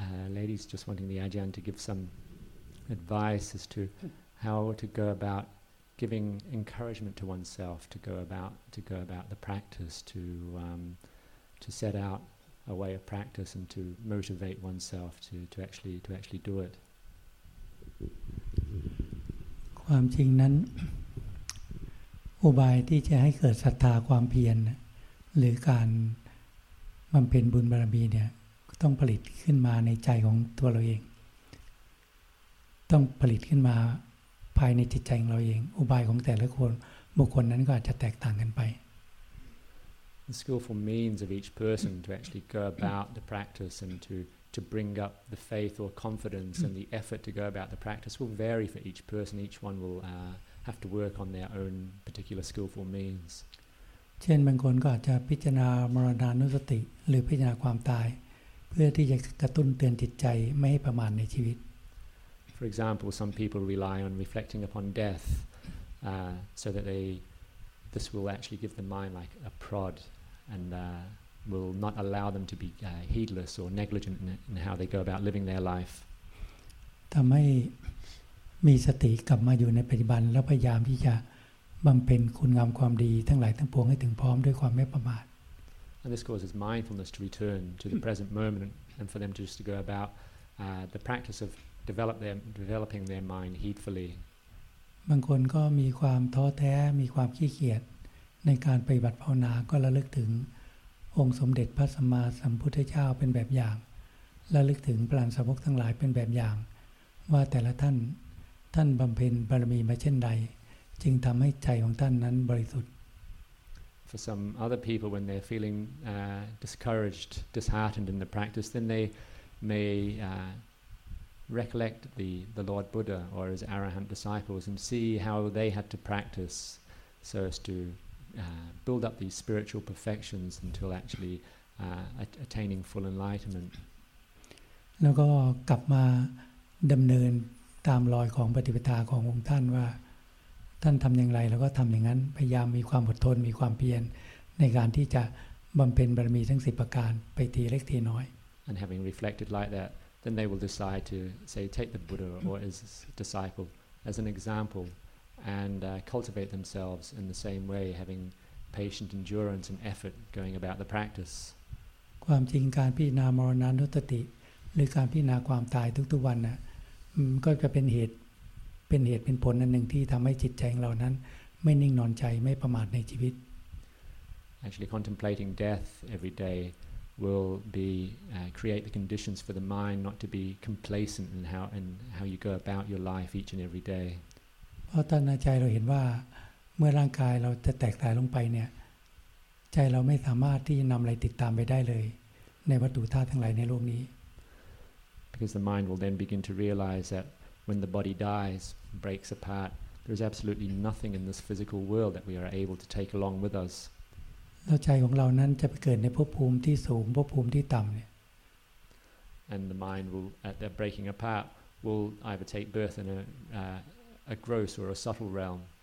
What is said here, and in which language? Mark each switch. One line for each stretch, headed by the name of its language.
English: Ladies just wanting the Ajahn to give some advice as to how to go about giving encouragement to oneself to go about the practice, to set out a way of practice and to motivate oneself to actually do it.
Thai: ความจริงนั้นอุบายที่จะให้เกิดศรัทธาความเพียรหรือการบำเพ็ญบุญบารมีเนี่ยต้องผลิตขึ้นมาในใจของตัวเราเองต้องผลิตขึ้นมาภายในจิตใจของเราเองอุบายของแต่ละคนบุคคลนั้นก็อาจจะแตกต่างกันไป
English: The skillful means of each person to actually go about the practice and to bring up the faith or confidence and the effort to go about the practice will vary for each person. Each one will have to work on their own particular skillful means.
Thai: เช่นบางคนก็อาจจะพิจารณามรณานุสติหรือพิจารณาความตายเพื่อที่จะกระตุ้นเตือนจิตใจไม่ให้ประมาทในชีวิต
English: For example, some people rely on reflecting upon death so that this will actually give the mind like a prod and will not allow them to be heedless or negligent in how they go about living their life.
Thai: ทำให้มีสติกลับมาอยู่ในปัจจุบันแล้วพยายามที่จะบำเพ็ญคุณงามความดีทั้งหลายทั้งปวงให้ถึงพร้อมด้วยความไม่ประมาท
English: And this causes mindfulness to return to the present moment and for them just to go about the practice of developing their mind heedfully.
Thai: บางคนก็มีความท้อแท้มีความขี้เกียจในการปฏิบัติภาวนาก็ระลึกถึงองค์สมเด็จพระสัมมาสัมพุทธเจ้าเป็นแบบอย่างระลึกถึงพระอรหันต์สาวกทั้งหลายเป็นแบบอย่างว่าแต่ละท่านบำเพ็ญบารมีมาเช่นใดจึงทำให้ใจของท่านนั้นบริสุทธิ์
English: For some other people, when they're feeling discouraged, disheartened in the practice, then they may recollect the Lord Buddha or his Arahant disciples and see how they had to practice so as to build up these spiritual perfections until actually attaining full enlightenment.
Thai: แล้วก็กลับมาดำเนินตามรอยของปฏิปทาขององค์ท่านว่าท่านทำอย่างไรแล้วก็ทำอย่างนั้นพยายามมีความอดทนมีความเพียรในการที่จะบำเพ็ญบารมีทั้งสิบประการไปทีเล็กทีน้อย
English: And having reflected like that, then they will decide to say take the Buddha or his disciple as an example and cultivate themselves in the same way, having patient endurance and effort going about the practice.
Thai: ความจริงการพิจารณามรณานุสติหรือการพิจารณาความตายทุกๆวันน่ะก็จะเป็นเหตุเป็นผลอันหนึ่งที่ทำให้จิตใจของเรานั้นไม่นิ่งนอนใจไม่ประมาทในชีวิต
English: Actually contemplating death every day will be create the conditions for the mind not to be complacent in how you go about your life each and every day
Thai: เพราะตอนใจเราเห็นว่าเมื่อร่างกายเราจะแตกตายลงไปเนี่ยใจเราไม่สามารถที่จะนำอะไรติดตามไปได้เลยในวัตถุธาตุทั้งหลายในโลกนี้
English: Because the mind will then begin to realize that when the body dies, breaks apart, there is absolutely nothing in this physical world that we are able to take along with us. And the mind will, at that breaking apart, will either take birth in a gross or a subtle realm.